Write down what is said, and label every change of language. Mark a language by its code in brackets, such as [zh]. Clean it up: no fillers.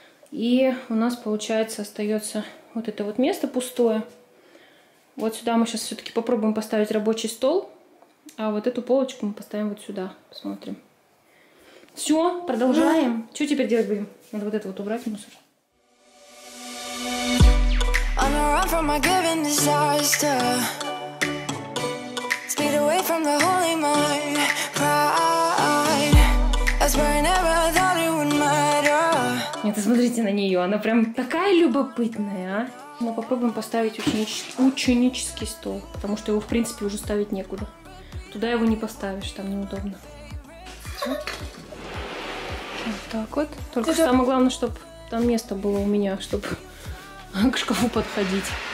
[ru] И у нас получается остается вот это вот место пустое. Вот сюда мы сейчас все-таки попробуем поставить рабочий стол. А вот эту полочку мы поставим вот сюда. Посмотрим. Все, продолжаем. Да. Что теперь делать будем? Надо вот это вот убрать, мусор. [en] On a run from my given disaster. Speed away from the holy mind. Pride. That's where I never thought it would matter. [ru] Нет, смотрите на нее, она прям такая любопытная, а. Мы попробуем поставить ученический стол, потому что его, в принципе, уже ставить некуда. Туда его не поставишь, там неудобно. Вот так вот. Только что самое главное, чтобы там место было у меня, чтобы к шкафу подходить.